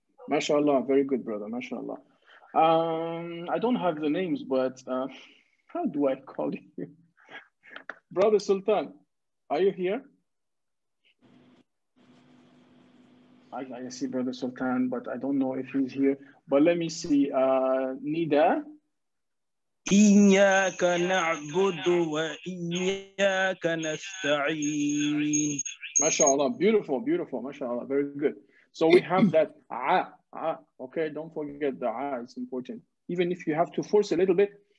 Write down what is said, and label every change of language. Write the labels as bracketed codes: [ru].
[ar] ما شاء الله, [en] very good brother, [ar] ما شاء الله. [en] I don't have the names, but how do I call you? Brother Sultan, are you here? I see Brother Sultan, but I don't know if he's here. But let me see, Nida. [ar] إياك نعبد وإياك نستعين. ما شاء الله, [en] beautiful, [ar] ما شاء الله, [en] very good. So we have that ah, okay, don't forget the ah, it's important. Even if you have to force a little bit.